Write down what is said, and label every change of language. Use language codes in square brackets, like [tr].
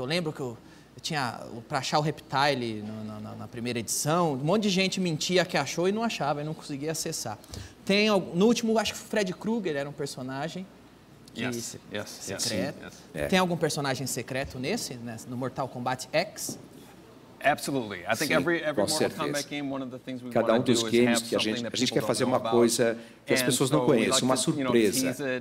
[pt] Eu lembro que eu tinha pra achar o Reptile na primeira edição. Um monte de gente mentia que achou e não achava, e não conseguia acessar. Tem no último, acho que o Fred Krueger era um personagem. Sim. Tem algum personagem secreto nesse no Mortal Kombat X? [en] Absolutely. I think every Mortal Kombat game, one of the things we want to do. [pt] Cada um dos games que a gente quer fazer uma coisa que as pessoas não conheçam, uma surpresa.